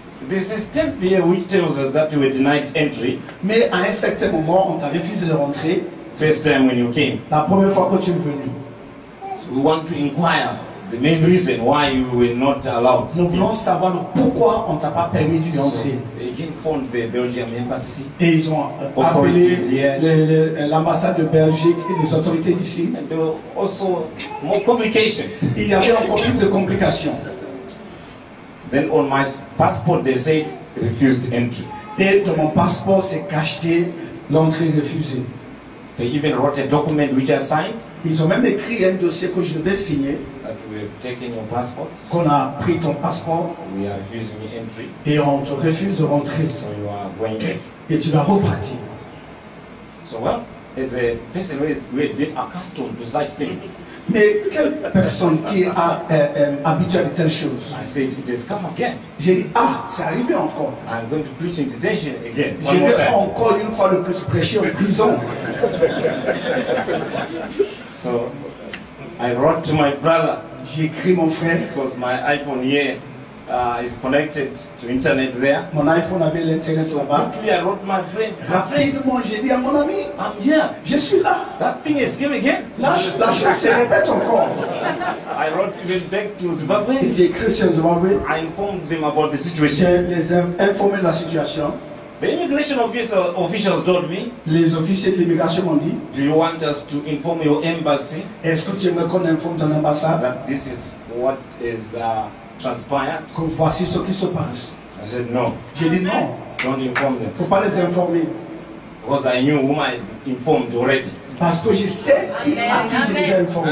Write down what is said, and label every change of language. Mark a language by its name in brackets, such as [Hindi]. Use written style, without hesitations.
[English] There's a stamp here which tells us that you were denied entry. [French] Mais à un certain moment, on t'a refusé de rentrer. [English] First time when you came. [French] La première fois que tu es venu. [English] We want to inquire the main reason why you were not allowed. [French] Nous voulons savoir pourquoi on ne t'a pas permis d'y entrer. [English] They again phoned the Belgian embassy. [French] Et ils ont appelé l'ambassade de Belgique et les autorités d'ici. [English] And there were also more complications. [French] Il y avait encore plus de complications. [English] Then on my passport they said refused entry. [French] Et de mon passeport c'est cacheté l'entrée refusée. [English] They even wrote a document which I signed. [French] Ils ont même écrit un dossier que je devais signer. [English] That we have taken your passport. [French] Qu'on a pris ton passeport. [English] We are refusing entry. [French] Et on te refuse de rentrer. [English] So you are going back. [French] Et tu vas repartir. [English] So well, as a person who has been accustomed to such things. [French] Mais quelle personne qui a habitué à de telles choses? [English] I said, it has come again. [French] J'ai dit, ah, c'est arrivé encore. [English] I'm going to preach in detention again. [French] Je vais encore une fois de plus prêcher en prison. [English] So, I wrote to my brother. [French] J'ai écrit mon frère. [English] Because my iPhone here is connected to internet there. [French] Mon iPhone avait l'internet là-bas. [English] Quickly, I wrote my friend. [French] Rapidement, j'ai dit à mon ami. [English] I'm here. [French] Je suis là. [English] That thing is came again. [French] La chose se répète encore. [English] I wrote even back to Zimbabwe. [French] Et j'ai écrit sur Zimbabwe. [English] I informed them about the situation. [French] Je les ai informés de la situation. [English] The immigration officials told me. [French] Les officiers de l'immigration m'ont dit. [English] Do you want us to inform your embassy? [French] Est-ce que tu aimerais qu'on informe ton ambassade? [English] That this is what is transpired. [French] Que voici ce qui se passe. [English] I said no. [French] J'ai dit non. [English] Don't inform them. [French] Faut pas les informer. [English] Because I knew whom I had informed already. [French] Parce que je sais qui à qui j'ai déjà informé.